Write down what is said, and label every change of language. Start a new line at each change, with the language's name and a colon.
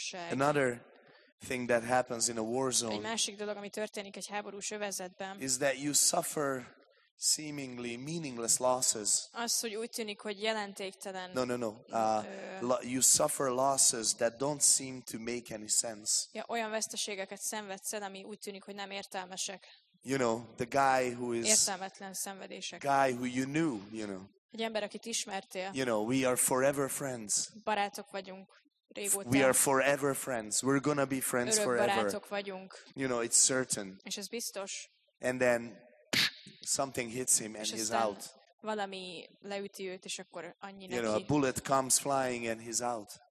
English: Another thing that happens in a war zone
Hungarian: egy másik dolog, ami történik egy háborús övezetben,
English: is that you suffer seemingly meaningless losses.
Hungarian: Az, hogy úgy tűnik, hogy jelentéktelen.
English: No. You suffer losses that don't seem to make any sense.
Hungarian: Ja, olyan veszteségeket szenvedsz el, ami úgy tűnik, hogy nem értelmesek.
English: You know, the guy who is
Hungarian: értelmetlen szenvedések.
English: Guy who you knew, you know.
Hungarian: Egy ember, akit ismertél.
English: You know, we are forever friends.
Hungarian: Barátok vagyunk.
English: We are forever friends. We're going to be friends forever.
Hungarian: Örök barátok vagyunk.
English: You know, it's certain.
Hungarian: És ez biztos.
English: And then something hits him and he's out.
Hungarian: Valami leüti őt, és akkor annyi neki.
English: You know, a bullet comes flying and he's out.